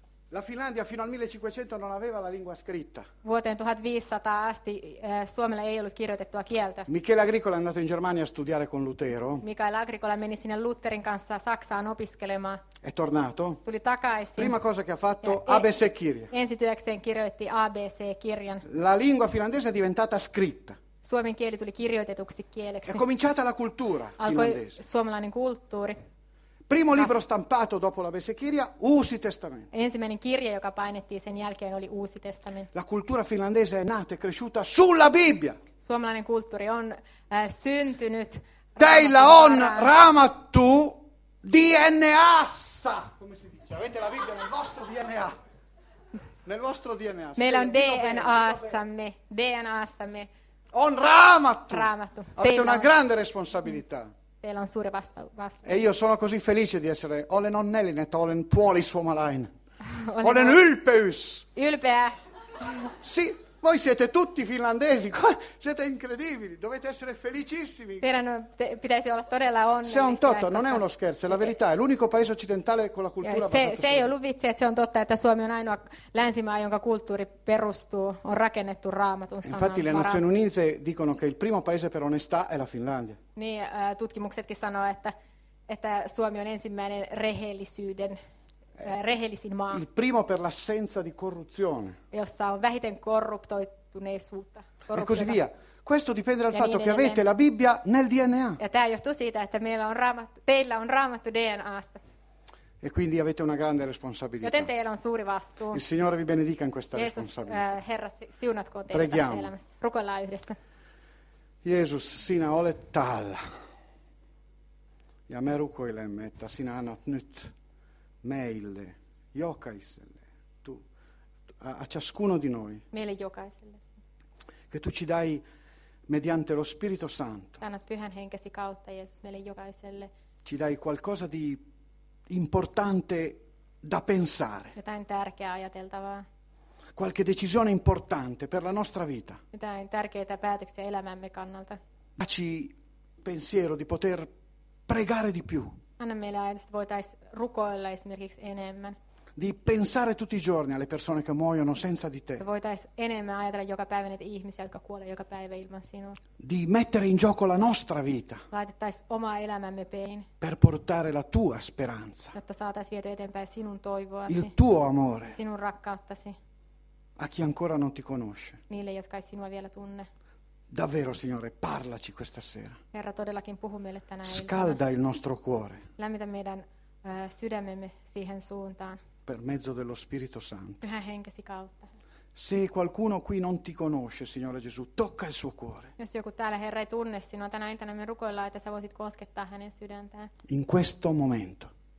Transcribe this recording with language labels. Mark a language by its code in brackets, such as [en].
[it] La Finlandia fino al 1500 non aveva la lingua scritta. [fi] Vuoteen 1500 asti Suomella ei ollut kirjoitettua kieltä. [it] Michele Agricola è andato in Germania a studiare con Lutero. [fi] Mikael Agricola meni sinne Lutherin kanssa Saksaan opiskelemaan. [it] È tornato. [fi] Tuli takaisin. [it] Prima cosa che ha fatto ABC-kirja. [fi] Ensi työkseen kirjoitti ABC-kirjan. [it] La lingua finlandese è diventata scritta. [fi] Suomen kieli tuli kirjoitetuksi kieleksi. [it] È cominciata la cultura finlandese. [fi] Alkoi suomalainen kulttuuri. [it] Primo libro stampato dopo la Vesekirja, Uusi testamento. [fi] Ensimmäinen kirja, joka painettiin sen jälkeen, oli Uusi testamento. [it] La cultura finlandese è nata e cresciuta sulla Bibbia. [fi] Suomalainen kulttuuri on syntynyt. Teillä on Raamattu DNA:ssa. [it] Come si dice? Avete la Bibbia nel vostro DNA. Nel vostro DNA. [fi] Meillä on DNA:ssamme. DNA:ssamme. On Raamattu. Raamattu. [it] Avete una grande responsabilità. [fi] Teillä on suuri vastuu. [it] E io sono così felice di essere [fi] olen onnellinen, että olen puoli suomalainen. Olen ylpeys. Ylpeä. [it] Sì, voi siete tutti finlandesi. Siete incredibili. Dovete essere felicissimi. [fi] Pitäisi olla todella onnellisia. Se on totta, [it] non è uno scherzo, è la verità. È l'unico paese occidentale con la cultura basata. [fi] Se ei ollut vitsi, että se on totta, että Suomi on ainoa länsimaa, jonka kulttuuri perustuu, on rakennettu Raamatun sanan. [it] Infatti le Nazioni Unite dicono che il primo paese per onestà è la Finlandia. [fi] Niin, tutkimuksetkin sanoo, että Suomi on ensimmäinen rehellisyyden, rehellisin maa. [it] Il primo per l'assenza di corruzione. [fi] Jossa on vähiten korruptoituneisuutta. [it] E così via. Questo dipende dal fatto che avete la Bibbia nel DNA. [fi] Ja tämä johtuu siitä, että teillä on Raamattu DNA:ssa. [it] E quindi avete una grande responsabilità. [fi] Joten teillä on suuri vastuu. [it] Il Signore vi benedica in questa responsabilità. [fi] Jeesus, Herra, siunatko teitä tässä elämässä. Rukoillaan yhdessä. Jeesus, sinä olet täällä. Ja me rukoilemme, että sinä annat nyt meille, jokaiselle, [it] a ciascuno di noi. [fi] Meille jokaiselle. [it] Che tu ci dai mediante lo Spirito Santo. [fi] Annat pyhän henkesi kautta, Jeesus, meille jokaiselle. [it] Ci dai qualcosa di importante da pensare. [fi] Jotain tärkeää ajateltavaa. [it] Qualche decisione importante per la nostra vita. [fi] Jotain tärkeitä päätöksiä elämämme kannalta. [it] Facci pensiero di poter pregare di più. [fi] Anna meille ajatus, että voitaisiin rukoilla esimerkiksi enemmän. [it] Di pensare tutti i giorni alle persone che muoiono senza di te. [fi] Voitaisiin enemmän ajatella joka päivä niitä ihmisiä, jotka kuolee joka päivä ilman sinua. [it] Di mettere in gioco la nostra vita. [fi] Laitettaisiin omaa elämämme peliin. [it] Per portare la tua speranza. [fi] Jotta saataisiin vietyä eteenpäin sinun toivoasi. [it] Il tuo amore. [fi] Sinun rakkauttasi. [it] A chi ancora non ti conosce. [fi] Niille, jotka ei sinua vielä tunne. [it] Davvero, Signore, parlaci questa sera. [fi] Herra, todellakin puhu meille tänä [it] Scalda il nostro cuore. [fi] Lämmitä meidän sydämemme siihen suuntaan. [it] per mezzo dello Spirito Santo. Anche si calta. Se qualcuno qui non ti conosce, Signore Gesù, tocca il suo cuore. In questo momento.